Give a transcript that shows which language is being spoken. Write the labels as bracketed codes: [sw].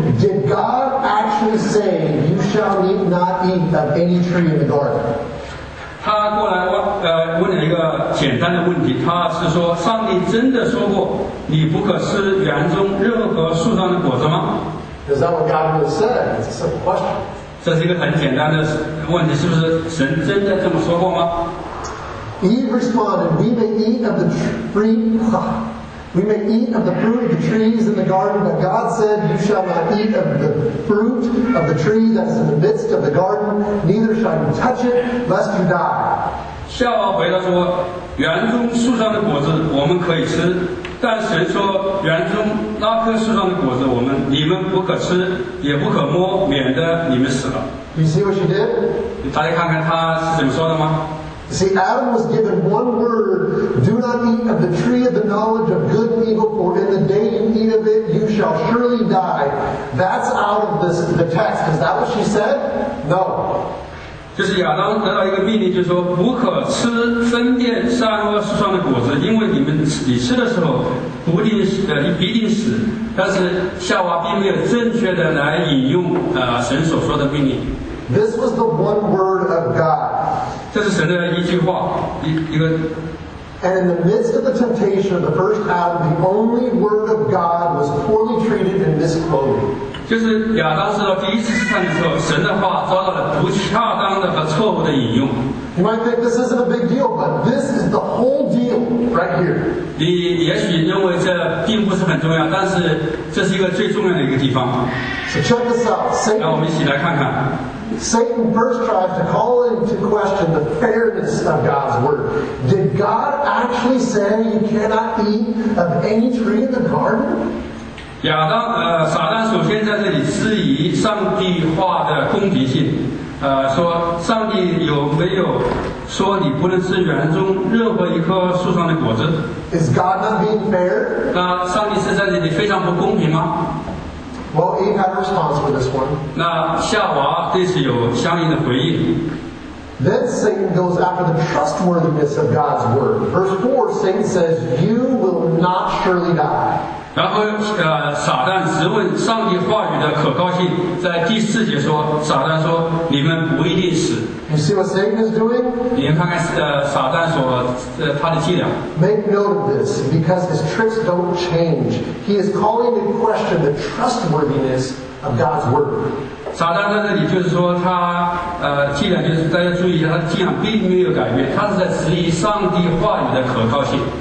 [en] Did God actually say, "You shall not eat of any tree in the garden"? [zh] 他过来问了一个简单的问题，他是说上帝真的说过你不可吃园中任何树上的果子吗？ [en] Is that what God really said? It's a simple question. [zh] 这是一个很简单的问题，是不是神真的这么说过吗？ [en] Eve responded, we may eat of the tree, we may eat of the fruit of the trees in the garden, but God said, you shall not eat of the fruit of the tree that's in the midst of the garden, neither shall you touch it, lest you die. [zh] 夏娃回答说，园中树上的果子我们可以吃，但神说园中那棵树上的果子你们不可吃也不可摸，免得你们死了。 [en] You see what she did? [zh] 大家看看她是怎么说的吗？ [en] See, Adam was given one word, do not eat of the tree of the knowledge of good and evil, for in the day you eat of it, you shall surely die. That's out of the text. Is that what she said? No. [zh] 就是亚当得到一个命令，就是说不可吃分辨善恶树上的果子，因为你吃的时候不定死，你必定死。但是夏娃并没有正确的来引用神所说的命令。 [en] This was the one word of God. [zh] 这是神的一句话，一个。 [en] And in the midst of the temptation of the first Adam, the only word of God was poorly treated and misquoted. [zh] 就是亚当受到第一次试探的时候，神的话遭到了不恰当的和错误的引用。 [en] You might think this isn't a big deal, but this is the whole deal right here. [zh] 你也许认为这并不是很重要，但是这是一个最重要的一个地方。 [en] So check this out. [zh] 让我们一起来看看。 [en] Satan first tries to call into question the fairness of God's word. Did God actually say you cannot eat of any tree in the garden? [zh] 亚当，撒旦首先在这里质疑上帝话的公平性，说上帝有没有说你不能吃园中任何一棵树上的果子？ [en] Is God not being fair? [zh] 那上帝是在这里非常不公平吗？ [en] Well, Eve had a response for this one. [zh] 那夏娃对此有相应的回应。 [en] Then Satan goes after the trustworthiness of God's word. Verse 4, Satan says, you will not surely die. [zh] 然后撒旦质问上帝话语的可靠性，在第四节说，撒旦说你们不一定死。 [en] You see what Satan is doing? [zh] 你们看看撒旦所他的伎俩。 [en] Make note of this, because his tricks don't change. He is calling into question the trustworthiness of God's word. [zh] 撒旦在这里就是说他伎俩，就是大家注意，他伎俩并没有改变，他是在质疑上帝话语的可靠性。